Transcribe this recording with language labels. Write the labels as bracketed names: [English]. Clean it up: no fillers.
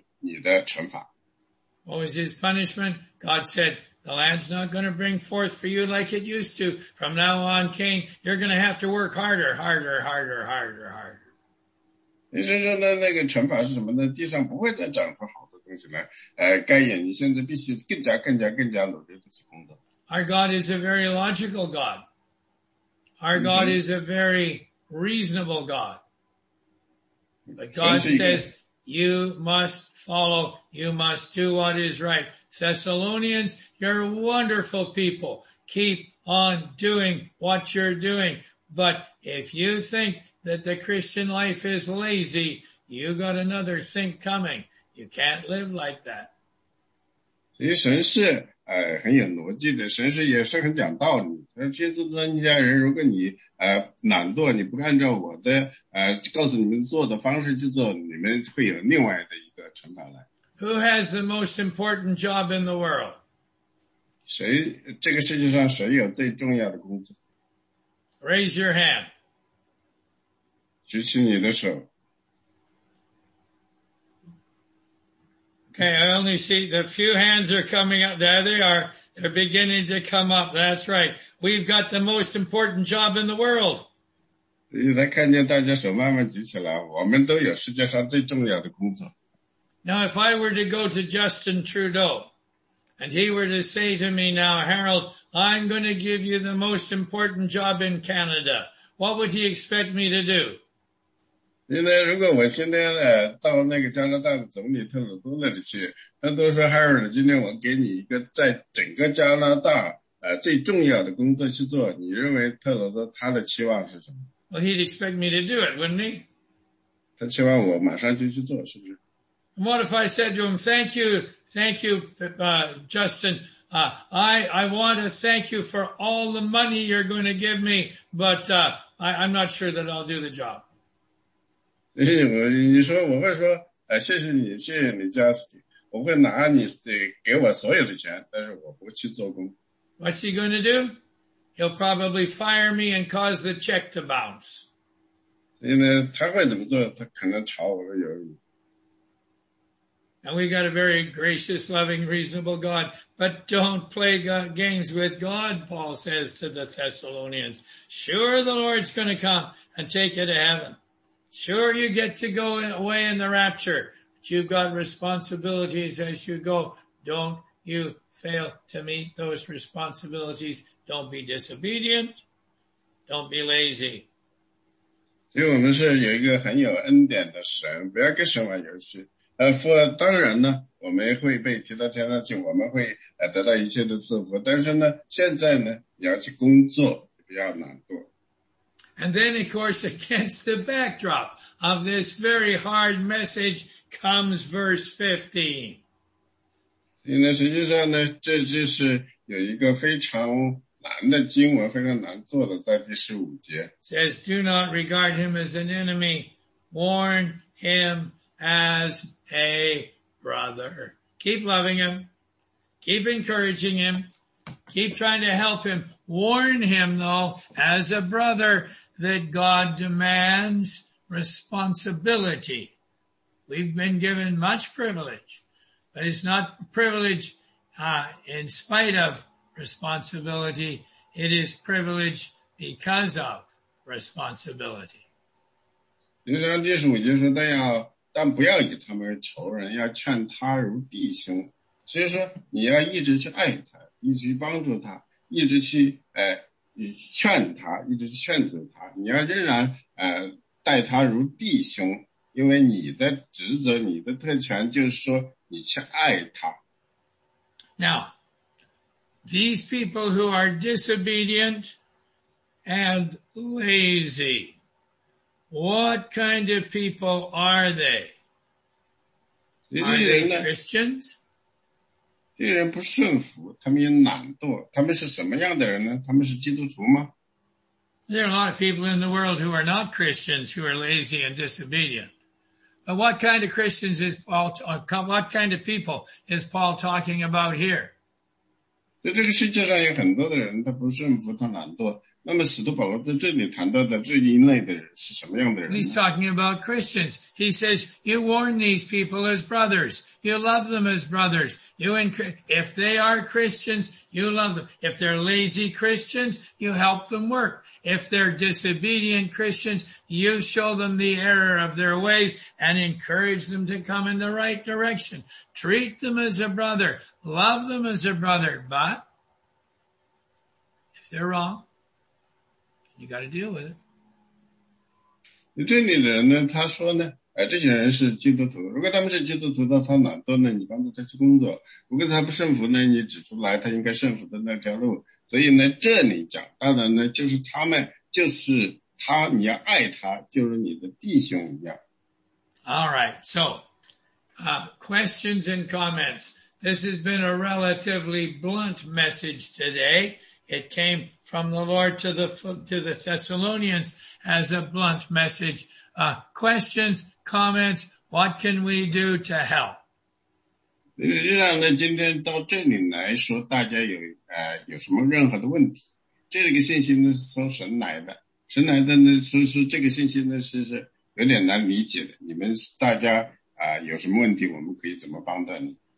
[Chinese] 神说呢，该隐这不是这样的，我告诉你要献一个动物来作为献祭，你说不，你就说我要把我自己地上种的好的东西都给你，所以神说呢，这就是你的惩罚。 [English] What was his punishment? God said, the land's not going to bring forth for you like it used to. From now on, Cain, you're going to have to work harder, harder, harder, harder, harder. [Chinese] 神说呢，那个惩罚是什么呢？地上不会再长出好的东西来。该隐，你现在必须更加努力的去工作。 [English] Our God is a very logical God. Our God is a very reasonable God. But God says, you must follow, you must do what is right. Thessalonians, you're wonderful people. Keep on doing what you're doing. But if you think that the Christian life is lazy, You got another think coming. You can't live like that. [Chinese] 其实神是很有逻辑的，神是也是很讲道理。而基督参加人，如果你懒惰，你不按照我的告诉你们做的方式去做，你们会有另外的一个惩罚来。 [English] Who has the most important job in the world? [Chinese] 谁这个世界上谁有最重要的工作 [English] ？Raise your hand. [Chinese] 举起你的手。 [English] Okay, I only see the few hands are coming up. There they are. They're beginning to come up. That's right. We've got the most important job in the world. [Chinese] 来看见大家手慢慢举起来，我们都有世界上最重要的工作。 [English] Now, if I were to go to Justin Trudeau, and he were to say to me now, Harold, I'm going to give you the most important job in Canada, what would he expect me to do? [Chinese] 现在如果我现在到那个加拿大的总理特鲁多那里去，他都说 Harold， 今天我给你一个在整个加拿大最重要的工作去做，你认为特鲁多他的期望是什么？ [English] Well, he'd expect me to do it, wouldn't he? [Chinese] 他期望我马上就去做，是不是？ [English] And what if I said to him, Thank you, Justin. I want to thank you for all the money you're going to give me, but I'm not sure that I'll do the job. [Chinese] 你说我会说谢谢你，谢谢你 Justin， 我会拿你给我所有的钱，但是我不去做工。 [English] What's he going to do? He'll probably fire me and cause the check to bounce. [Chinese] 所以呢，他会怎么做？他可能炒我的鱿鱼。 [English] Now we got a very gracious, loving, reasonable God, but don't play games with God, Paul says to the Thessalonians. Sure, the Lord's going to come and take you to heaven. Sure, you get to go away in the rapture, but you've got responsibilities as you go. Don't you fail to meet those responsibilities. Don't be disobedient. Don't be lazy. [Chinese] 所以我们是有一个很有恩典的神，不要跟神玩游戏。当然呢，我们会被提到天上去，我们会得到一切的赐福。但是呢，现在呢，你要去工作，不要懒惰。 [English] And then, of course, against the backdrop of this very hard message comes verse 15. [Chinese] 那实际上呢，这就是有一个非常难的经文，非常难做的，在第十五节。 [English] Says, do not regard him as an enemy. Warn him as a brother. Keep loving him. Keep encouraging him. Keep trying to help him. Warn him, though, as a brother. That God demands responsibility. We've been given much privilege, but it's not privilege, in spite of responsibility. It is privilege because of responsibility. [Chinese] 就像第十五节说，但不要以他们仇人，要劝他如弟兄。所以说，你要一直去爱他，一直帮助他，一直去劝他，一直劝阻他，你要仍然待他如弟兄，因为你的职责，你的特权就是说你去爱他。 [English] Now, these people who are disobedient and lazy, what kind of people are they? Are they Christians? [Chinese] 这些人不顺服，他们也懒惰，他们是什么样的人呢？他们是基督徒吗？ [English] There are a lot of people in the world who are not Christians, who are lazy and disobedient. But what kind of Christians is Paul, what kind of people is Paul talking about here? [Chinese] 在这个世界上有很多的人，他不顺服，他懒惰。那么使徒保罗在这里谈到的这一类的人是什么样的人呢？ [English] He's talking about Christians. He says, you warn these people as brothers. You love them as brothers. If they are Christians, you love them. If they're lazy Christians, you help them work. If they're disobedient Christians, you show them the error of their ways and encourage them to come in the right direction. Treat them as a brother. Love them as a brother. But if they're wrong,You got to deal with it. [Chinese] 这里的人呢，他说呢，这些人是基督徒。如果他们是基督徒的，他懒惰呢，你帮助他去工作；如果他不顺服呢，你指出来他应该顺服的那条路。所以呢，这里讲到的呢，就是他们，就是他，你要爱他，就是你的弟兄一样。 [English] All right. So, questions and comments. This has been a relatively blunt message today. It came from the Lord to the Thessalonians as a blunt message. Questions, comments, what can we do to help? [Chinese] 实际上呢，今天到这里来说，大家有什么任何的问题？这个信息呢，从神来的，神来的呢，说是这个信息呢，是有点难理解的。你们大家啊，有什么问题，我们可以怎么帮到你？